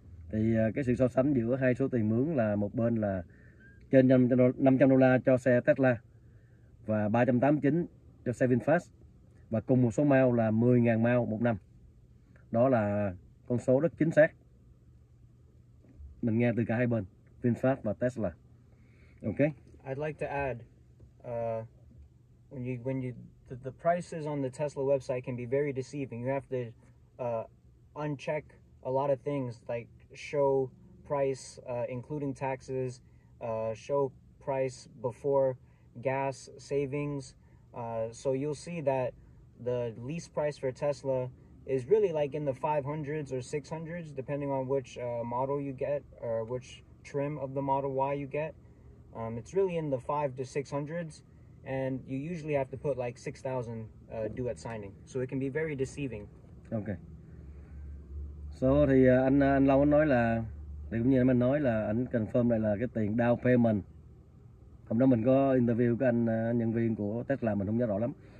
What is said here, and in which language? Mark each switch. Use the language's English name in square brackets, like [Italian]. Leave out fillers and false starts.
[Vietnamese] Thì cái sự so sánh giữa hai số tiền mướn là một bên là trên 500 đô la cho xe Tesla và 389 cho xe VinFast, và cùng một số mile là 10.000 mile một năm. Đó là con số rất chính xác mình nghe từ cả hai bên, VinFast và Tesla. [English] Okay. I'd like to add, when the prices on the Tesla website can be very deceiving. You have to uncheck a lot of things, like show price including taxes, show price before gas savings. So you'll see that the lease price for Tesla is really like in the 500s or 600s, depending on which model you get or which trim of the Model Y you get. It's really in the 500 to 600s, and you usually have to put like 6,000 due at signing, so it can be very deceiving. Okay. [Vietnamese] So thì anh Long nói là, thì cũng như anh nói là anh confirm lại là cái tiền down payment. Hôm đó mình có interview cái anh nhân viên của Tesla, mình không nhớ rõ lắm.